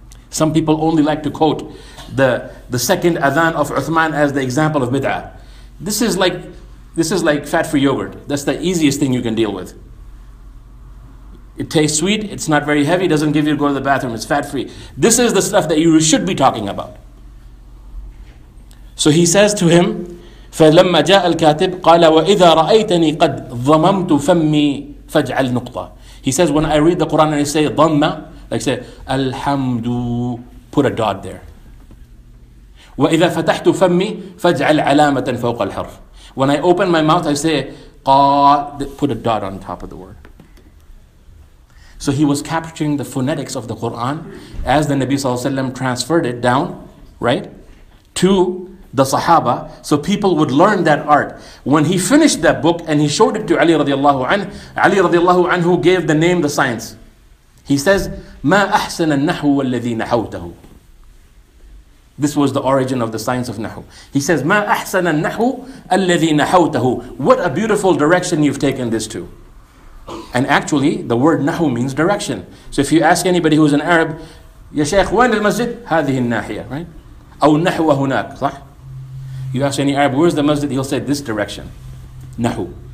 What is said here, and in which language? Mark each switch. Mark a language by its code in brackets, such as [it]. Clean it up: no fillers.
[en] Some people only like to quote the second adhan of Uthman as the example of bid'ah. This is like fat-free yogurt. That's the easiest thing you can deal with. It tastes sweet, it's not very heavy, doesn't give you to go to the bathroom, it's fat-free. This is the stuff that you should be talking about. So he says to him, [ar] فَلَمَّا جَاءَ الْكَاتِبْ قَالَ وَإِذَا رَأَيْتَنِي قَدْ ضَمَمْتُ فَمِّي فَاجْعَلْ نُقْطَةً. [en] He says, when I read the Quran and I say ضَمَّ, like say, Alhamdu, put a dot there. [ar] وَإِذَا فَتَحْتُ فَمِّي فَاجْعَلْ عَلَامَةً فَوْقَ الْحَرْفِ. [en] When I open my mouth, I say, put a dot on top of the word. So he was capturing the phonetics of the Quran as the Nabi Sallallahu Alaihi Wasallam transferred it down, right, to the Sahaba, so people would learn that art. When he finished that book and he showed it to Ali radiallahu anhu, Ali radiallahu anhu gave the name the science. He says, [ar] مَا أَحْسَنَ النَّحْوُ وَالَّذِي نَحَوْتَهُ. [en] This was the origin of the science of Nahu. He says, [ar] مَا أَحْسَنَ النَّحْوُ أَلَّذِي نَحَوْتَهُ. [en] What a beautiful direction you've taken this to. And actually, the word Nahu means direction. So if you ask anybody who's an Arab, [ar] يَا شَيْخ وَانَ الْمَسْجِدْ هَذِهِ النَّاحِيَةِ, [en] right? [ar] أَوْ نَحْوَ هُنَاكَ, صح? [en] You ask any Arab, where's the masjid? He'll say, this direction, Nahu.